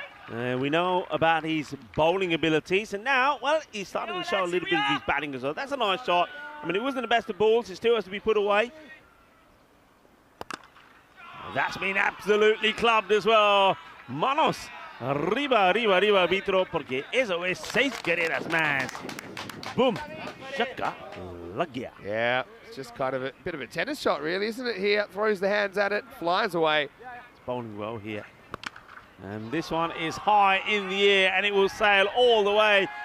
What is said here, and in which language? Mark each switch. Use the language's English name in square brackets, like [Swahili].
[English] We know about his bowling abilities. And now, well, he's starting to show a little bit of his batting as well. That's a nice shot. I mean, it wasn't the best of balls. It still has to be put away. That's been absolutely clubbed as well. [Spanish] Manos. Arriba, arriba, arriba, Vitro. Porque eso es seis carreras más. Boom. Shaka. Lagia. [English] Yeah, it's just kind of a bit of a tennis shot, really, isn't it? Here, throws the hands at it, flies away. Bowling well here, and this one is high in the air and it will sail all the way.